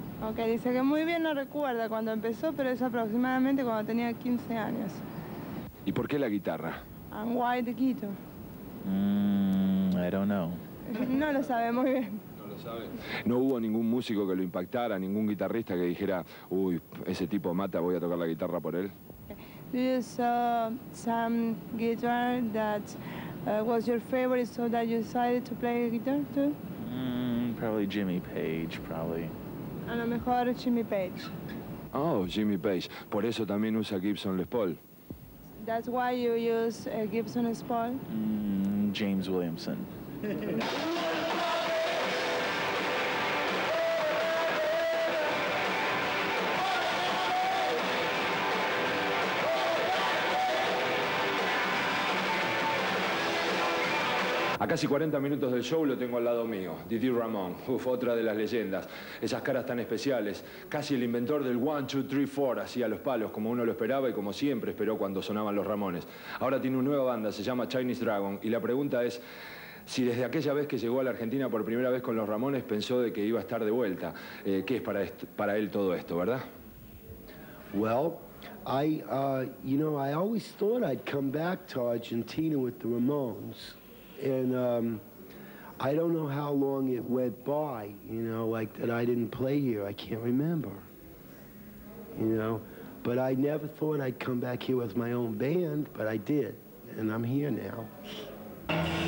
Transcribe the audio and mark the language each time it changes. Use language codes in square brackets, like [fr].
[es] Okay, dice que muy bien no recuerda cuando empezó, pero es aproximadamente cuando tenía 15 años. ¿Y por qué la guitarra? [en] And why the guitar? I don't know. [es] No lo sabe muy bien. No hubo ningún músico que lo impactara, ningún guitarrista que dijera, uy, ese tipo mata, voy a tocar la guitarra por él. [en] Do you saw some guitar that was your favorite, so that you decided to play guitar too? Probably Jimmy Page, probably. [es] A lo mejor Jimmy Page. Oh, Jimmy Page. Por eso también usa Gibson Les Paul. [en] That's why you use Gibson Les Paul. James Williamson. [es] A casi 40 minutos del show lo tengo al lado mío, Didi Ramón, uf, otra de las leyendas. Esas caras tan especiales, casi el inventor del 1, 2, 3, 4, así a los palos, como uno lo esperaba y como siempre esperó cuando sonaban los Ramones. Ahora tiene una nueva banda, se llama Chinese Dragon, y la pregunta es si desde aquella vez que llegó a la Argentina por primera vez con los Ramones pensó de que iba a estar de vuelta. ¿Qué es para él todo esto, verdad? [en] Well, I always thought I'd come back to Argentina with the Ramones. And I don't know how long it went by, you know, like that I didn't play here. I can't remember, you know. But I never thought I'd come back here with my own band, but I did, and I'm here now.